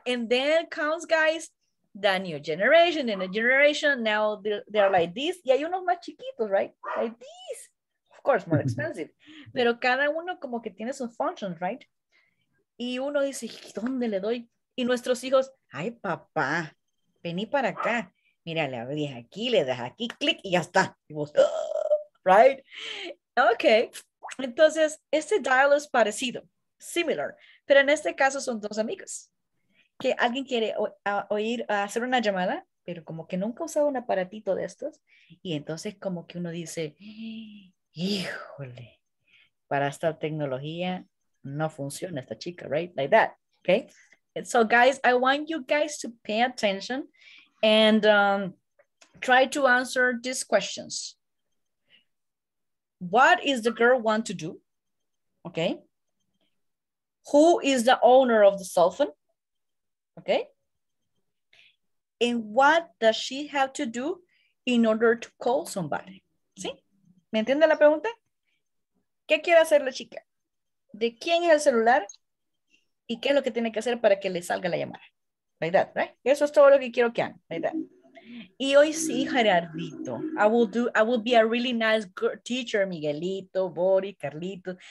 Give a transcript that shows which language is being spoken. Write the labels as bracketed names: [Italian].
[English] And then comes, guys, the new generation, and the generation, now they're like this. [Spanish] Y hay unos más chiquitos, [English] right? Like these. Of course, more expensive. [Spanish] Pero cada uno como que tiene sus functions, right? Y uno dice, ¿dónde le doy? Y nuestros hijos, ay, papá, vení para acá. Mira, le abrís aquí, le das aquí, clic, y ya está. Y vos, right? Okay. Entonces, este diálogo es parecido, similar. Pero en este caso son dos amigos. Que alguien quiere oír hacer una llamada, pero como que nunca ha usado un aparatito de estos. Y entonces como que uno dice, híjole, para esta tecnología no funciona esta chica, right? [English] Like that, okay? And so, guys, I want you guys to pay attention and try to answer these questions. What is the girl want to do? Okay. Who is the owner of the cell phone? Okay. and what does she have to do in order to call somebody? [Spanish] ¿Sí? ¿Me entiende la pregunta? ¿Qué quiere hacer la chica? ¿De quién es el celular? ¿Y qué es lo que tiene que hacer para que le salga la llamada? [English] Like that, right? [Spanish] Eso es todo lo que quiero que hagan. [English] Like that. [Spanish] Y hoy sí, Gerardito. [English] I will be a really nice teacher, Miguelito, Bori, Carlito.